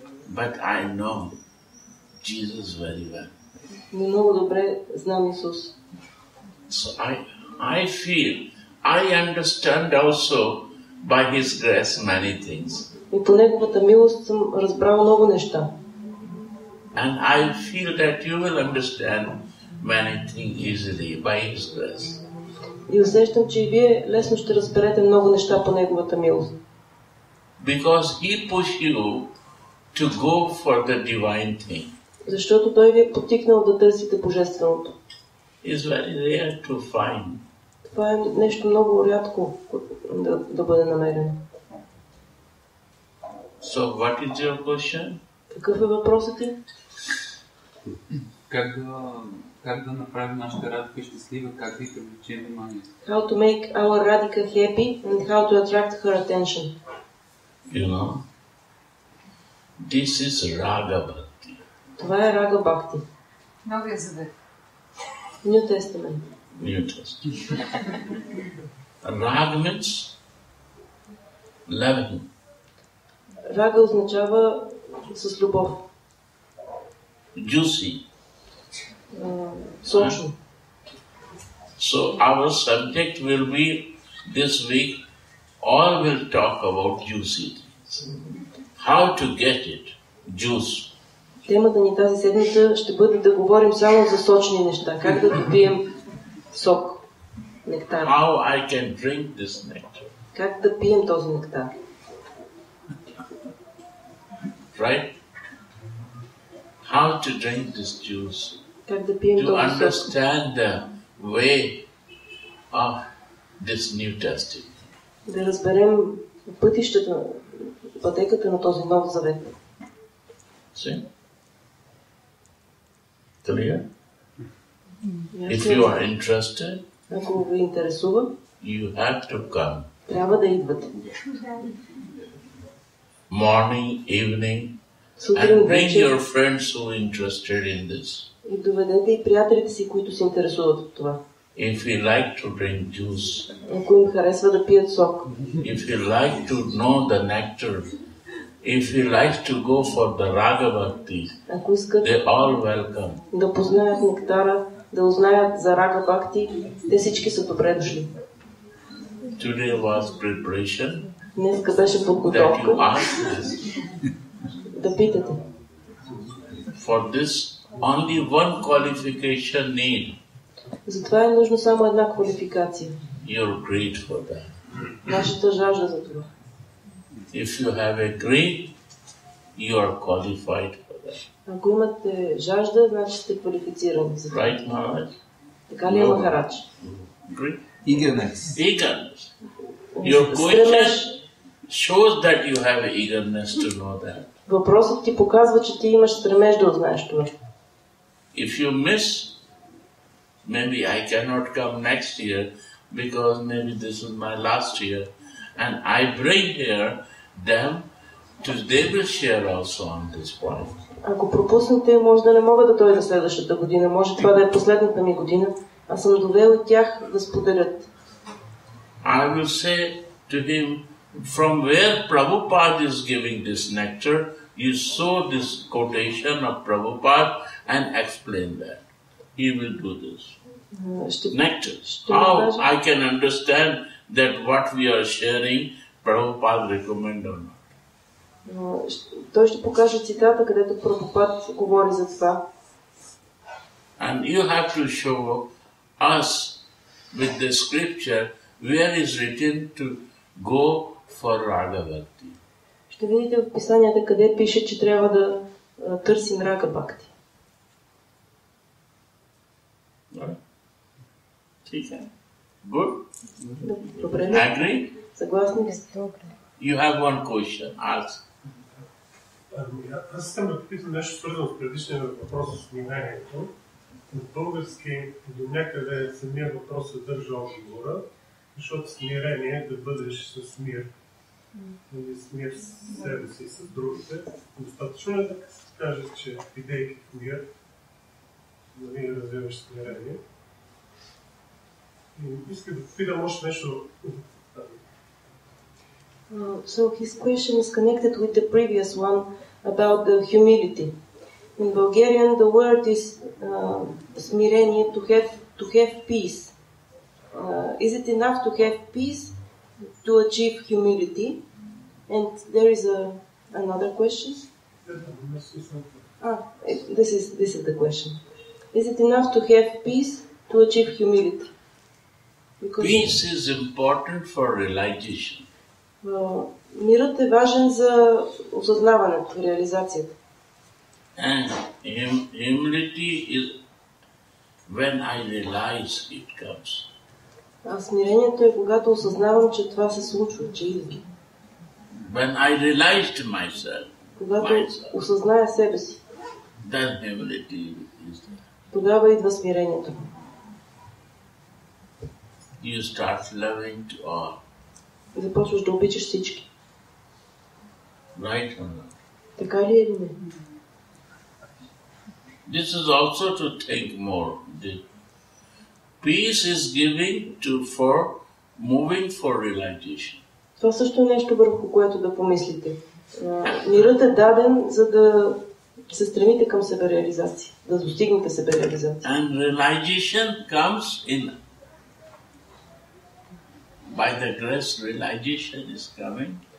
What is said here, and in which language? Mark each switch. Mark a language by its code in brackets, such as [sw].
[en] But I know Jesus very well. [bg] Но много добре знам Исус. [en] So I feel, I understand also by His grace many things. [bg] И по Неговата милост съм разбрал много неща. [en] And I feel that you will understand many things easily by His grace. [bg] И усещам, че и вие лесно ще разберете много неща по Неговата милост. [en] Because He push you to go for the divine thing. [bg] Защото Той ви е потикнал да търсите Божественото. [en] It's very rare to find. [bg] Това е нещо много рядко да бъде намерено. [en] So what is your question? [bg] Какъв е въпросът ти? Как как да направим нашата радика щастлива, как да привлечем внимание. [en] How to make our radhika happy and how to attract her attention. You know, this is raga bhakti. [bg] Това е рага бхакти. Новия завет. [en] New Testament. New Testament. Raga means loving. [bg] Raga означава с любов. [en] Juicy. [bg] Сочно. [en] So our subject will be this week, all will talk about juicy things. How to get it? Juice. [bg] Темата ни тази седмица ще бъде да говорим само за сочни неща. Как да допием сок, нектар. [en] How I can drink this nectar. [bg] Как да пием този нектар. [en] Right? How to drink this juice? [bg] Как да пием този сок? [en] To understand the way of this new testing. [bg] Да разберем пътищата, пътеката на този нов завет. [en] See? Clear? If you are interested, [bg] ако ви интересува, [en] you have to come. [bg] Трябва да идвате. [en] Morning, evening, and bring your friends who are interested in this. [bg] И доведете и приятелите си, които се интересуват от това. [en] If you like to drink juice, [bg] ако им харесва да пият сок, [en] if you like to know the nectar, if you like to go for the raga bhakti, [bg] ако искат, [en] they all welcome. [bg] Да познаят нектара, да узнаят за рага бхакти, те всички са добре дошли. [en] Today was preparation. [bg] Днеска беше подготовка. Да питате. [en] For this only one qualification need. [bg] Затова е нужно само една квалификация. [en] You're great for that. [bg] Нашата жажда за това. [en] If you have a greed, you are qualified for that. [bg] Ако имате жажда, значи сте квалифицирани за това. [en] Right, Maharaj? [bg] Така ли е, Махарадж? [en] Greed? Eagerness. Eagerness. Your greatness shows that you have eagerness to know that. [bg] Въпросът ти показва, че ти имаш стремеж да узнаеш това. [en] If you miss, maybe I cannot come next year, because maybe this is my last year. And I bring here them, to they will share also on this point. [bg] Ако пропуснете, може да не мога да дойда следващата година. Може това да е последната ми година. Аз съм довел и тях да споделят. [en] I will say to him, from where Prabhupada is giving this nectar, you saw this quotation of Prabhupada and explain that. He will do this. Nectars. How I can understand that what we are sharing, Prabhupada recommend or not. [bg] Той ще покаже цитата, където Прабхупада говори за това. [en] And you have to show us with the scripture where is written to go for Raga Bhakti. [bg] Ще видите в писанията къде пише, че трябва да търсим Raga Bhakti. [en] Good? [bg] Добре. [en] Agree? [bg] Съгласни ли сте? [en] You have one question, ask. [bg] Аз искам да попитам нещо, свързано с предишния въпрос с вниманието. На български до някъде самия въпрос съдържа отговора, защото смирение е да бъдеш с мир. Или с мир с себе си и с другите. Достатъчно е да кажеш, че идейки в мир, да ви развиваш смирение. Иска да попитам още нещо. [en] So his question is connected with the previous one about the humility. In Bulgarian, the word is smirenie, to have peace. Is it enough to have peace to achieve humility? And there is another question. This is the question. Is it enough to have peace to achieve humility? Because peace is important for realization. [bg] Мирът е важен за осъзнаването, реализацията. [en] And humility is when I realize it comes. [bg] А смирението е когато осъзнавам, че това се случва, че идва. [en] When I realized myself. [bg] Когато осъзная себе си. [en] Then humility is there. [bg] Тогава идва смирението. [en] You start loving to all. [bg] Започваш да обичаш всички. [en] Right or not? [bg] Така ли е или не? [en] This is also to think more. The peace is giving to for moving for realization. [bg] Това също е нещо върху което да помислите. Мирът е даден, за да се стремите към себереализация, да достигнете себереализация. [en] And realization comes in. By the grace, realization is coming.